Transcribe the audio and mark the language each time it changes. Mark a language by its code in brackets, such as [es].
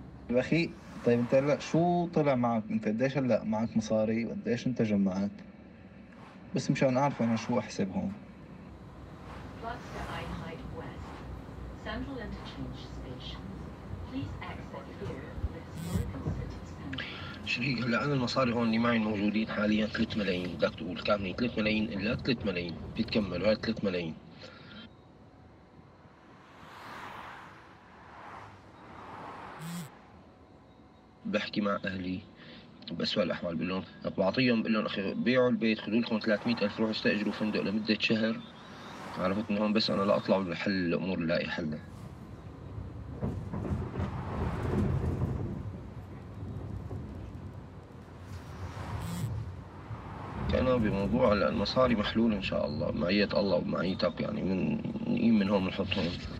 [ar] أخي طيب انت هلا شو طلع معك انت قديش هلا معك مصاري وقديش انت جمعت بس مشان اعرف انا شو احسب هون [en] Central Interchange Station. Please access here the historical city center. [ar] شريك هلا انا المصاري هون اللي معي موجودين حاليا 3 ملايين بدك تقول كامل 3 ملايين الا 3 ملايين بتكملوا هاي 3 ملايين بحكي مع اهلي بأسوأ الاحوال بقول لهم بعطيهم بقول لهم اخي بيعوا البيت خذوا لكم 300,000 روحوا استاجروا فندق لمده شهر عرفت انهم بس انا لا اطلع بحل الامور لا يحل أنا بموضوع المصاري محلول إن شاء الله معية الله ومعيتك يعني من نقيم من هون نحطهم